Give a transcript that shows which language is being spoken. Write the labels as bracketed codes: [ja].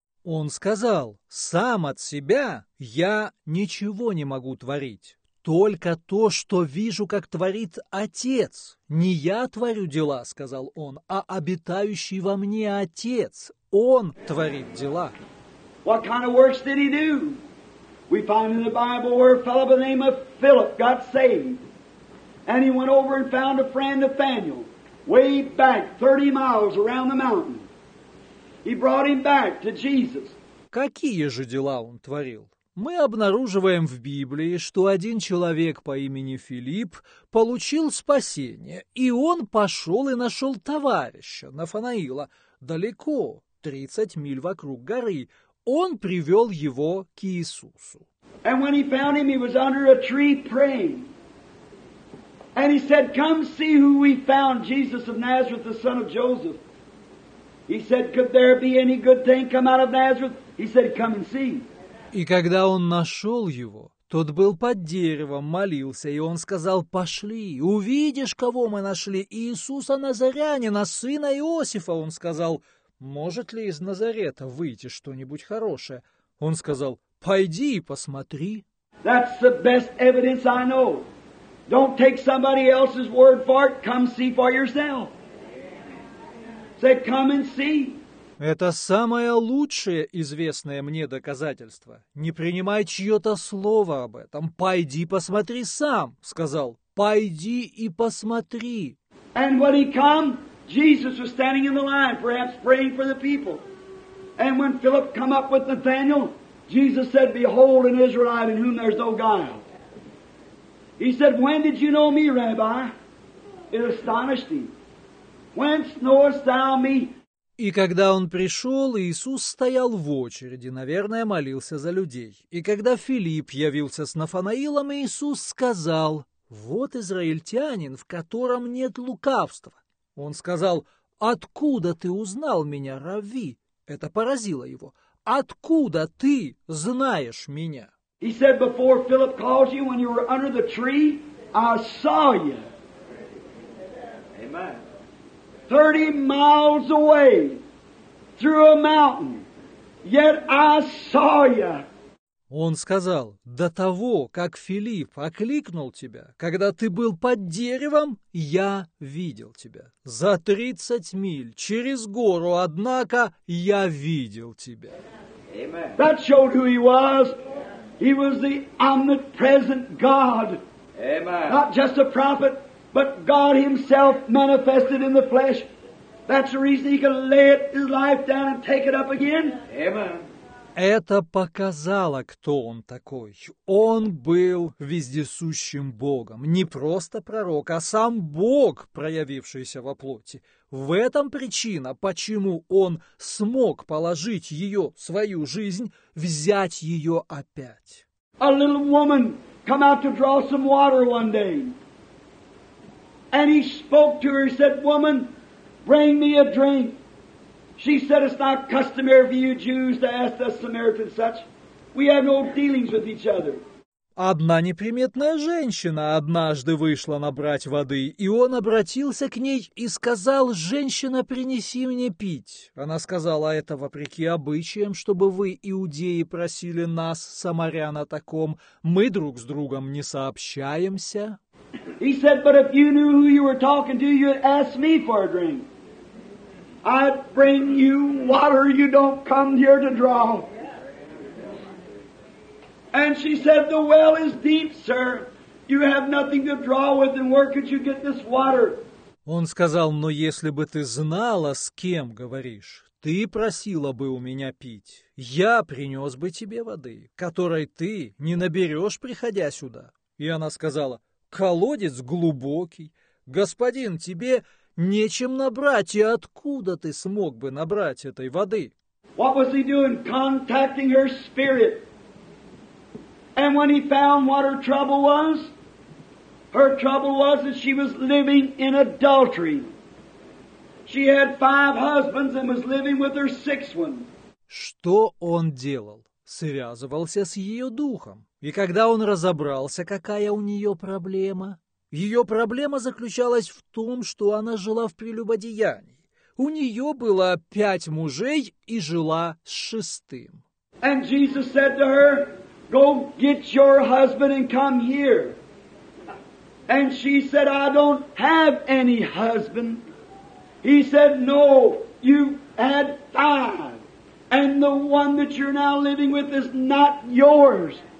[ru] Он сказал, сам от себя я ничего не могу творить. Только то, что вижу, как творит Отец. Не я творю дела, сказал он, а обитающий во мне Отец. Он творит дела. [en] What kind of works did he do? We find in the Bible where a fellow by the name of Philip got saved. And he went over and found a friend, Nathanael, way back 30 miles around the mountain. He brought him back to Jesus. [ru] Какие же дела он творил? Мы обнаруживаем в Библии, что один человек по имени Филипп получил спасение, и он пошел и нашел товарища Нафанаила далеко, 30 миль вокруг горы. Он привел его к Иисусу. [en] And when he found him, he was under a tree praying. And he said, come see who we found, Jesus of Nazareth, the son of Joseph. He said, could there be any good thing come out of Nazareth? He said, come and see. [ru] И когда он нашел его, тот был под деревом, молился, и он сказал, пошли, увидишь, кого мы нашли, Иисуса Назарянина, сына Иосифа. Он сказал, может ли из Назарета выйти что-нибудь хорошее? Он сказал, пойди и посмотри. [en] That's the best evidence I know. Don't take somebody else's word for it. Come see for yourself. Say, come and see. [ru] Это самое лучшее известное мне доказательство. Не принимай чье-то слово об этом. Пойди посмотри сам, сказал. Пойди и посмотри. [en] And when he came, Jesus was standing in the line, perhaps praying for the people. And when Philip came up with Nathanael, Jesus said, behold, an Israelite in whom there's no guile. He said, when did you know me, Rabbi? It astonished him. Whence knowest thou me? [ru] И когда он пришел, Иисус стоял в очереди, наверное, молился за людей. И когда Филипп явился с Нафанаилом, Иисус сказал, вот израильтянин, в котором нет лукавства. Он сказал, откуда ты узнал меня, Рави? Это поразило его. Откуда ты знаешь меня? [en] He said, before Philip called you, when you were under the tree, I saw you. Amen. 30 miles away, through a mountain, yet I saw you. [ru] Он сказал, до того, как Филипп окликнул тебя, когда ты был под деревом, я видел тебя. За 30 миль, через гору, однако, я видел тебя. [en] Amen. That showed who he was. He was the omnipresent God. Amen. Not just a prophet, but God himself manifested in the flesh. That's the reason he could lay his life down and take it up again. Amen. [ru] Это показало, кто он такой. Он был вездесущим Богом. Не просто пророк, а сам Бог, проявившийся во плоти. В этом причина, почему он смог положить ее, свою жизнь, взять ее опять. [en] A little woman came out to draw some water one day. And he spoke to her, he said, woman, bring me a drink. She said, it's not customary for you Jews to ask the Samaritan such. We have no dealings with each other. [ru] Одна неприметная женщина однажды вышла набрать воды, и он обратился к ней и сказал: «Женщина, принеси мне пить». Она сказала: «Это вопреки обычаям, чтобы вы, иудеи, просили нас, самарян, о таком. Мы друг с другом не сообщаемся». [en] He said, but if you knew who you were talking to, you'd ask me for a drink. I'd bring you water you don't come here to draw. And she said, the well is deep, sir. You have nothing to draw with, and where could you get this water? [ru] Он сказал, но если бы ты знала, с кем говоришь, ты просила бы у меня пить. Я принес бы тебе воды, которой ты не наберешь, приходя сюда. И она сказала, колодец глубокий. Господин, тебе нечем набрать, и откуда ты смог бы набрать этой воды? [en] What was he doing? Contacting her spirit. And when he found what her trouble was that she was living in adultery. She had five husbands and was living with her sixth one. [ru] Что он делал? Связывался с ее духом. И когда он разобрался, какая у нее проблема? Ее проблема заключалась в том, что она жила в прелюбодеянии. У нее было пять мужей и жила с шестым. [en] And Jesus said to her, go get your husband and come here. And she said, I don't have any husband. He said, no, you had five. And the one that you're now living with is not yours.